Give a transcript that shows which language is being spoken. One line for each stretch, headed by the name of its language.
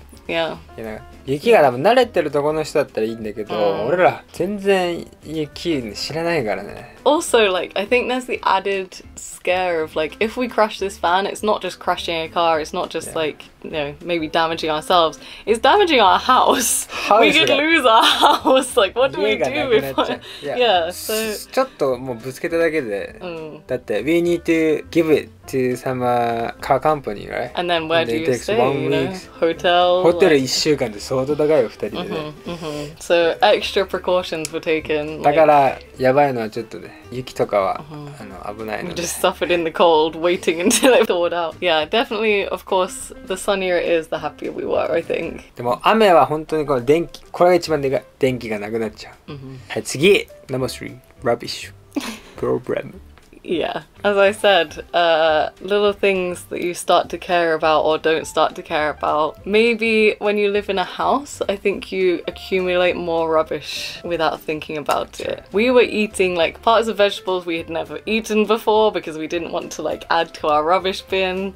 English: Yeah.
Japanese: 雪が多分慣れてるところの人だったらいいんだけど、俺ら全然雪知らないからね。
English: Also, like, I think there's the added scare of, like, if we crash this van, it's not just crashing a car, it's not just, like, you know, maybe damaging ourselves, it's damaging our house. We could lose our house. Like, what do we do if...
Japanese: ちょっともうぶつけただけで。だって、
English: we need to give it to some car company, right? And then where do you stay? One week.
Japanese: Hotel. Hotel 1週間って相当高いよ、2人でね。
English: So, extra precautions were taken.
Japanese: だから、やばいのはちょっと雪とかは、あの、危ないので。
English: We just suffered in the cold, waiting until it thawed out. Yeah, definitely, of course, the sunnier it is, the happier we were, I think.
Japanese: でも雨は本当にこの電気、これが一番でかい。電気がなくなっちゃう。はい、次 !
English: Number 3. Rubbish. Problem. Yeah, as I said, little things that you start to care about or don't start to care about. Maybe when you live in a house, I think you accumulate more rubbish without thinking about it. We were eating like parts of vegetables we had never eaten before because we didn't want to like add to our rubbish bin.